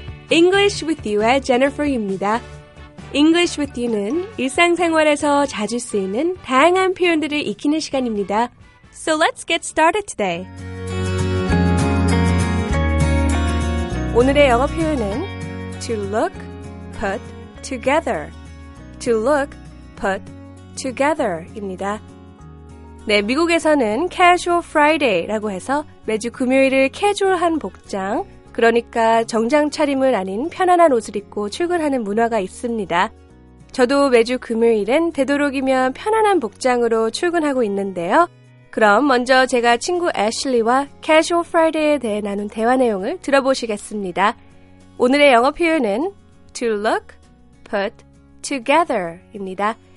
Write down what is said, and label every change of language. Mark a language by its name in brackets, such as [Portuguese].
[Korean] English with you의 Jennifer입니다. English with you는 일상생활에서 자주 쓰이는 다양한 표현들을 익히는 시간입니다. [English] So let's get started today. [Korean] 오늘의 영어 표현은 [English] to look put together. To look put together입니다. [Korean] 네, 미국에서는 casual Friday라고 해서 매주 금요일을 캐주얼한 복장, 그러니까 정장 차림을 아닌 편안한 옷을 입고 출근하는 문화가 있습니다. 저도 매주 금요일엔 되도록이면 편안한 복장으로 출근하고 있는데요. 그럼 먼저 제가 친구 애슐리와 casual Friday에 대해 나눈 대화 내용을 들어보시겠습니다. 오늘의 영어 표현은 [English] to look put together [Korean] 입니다.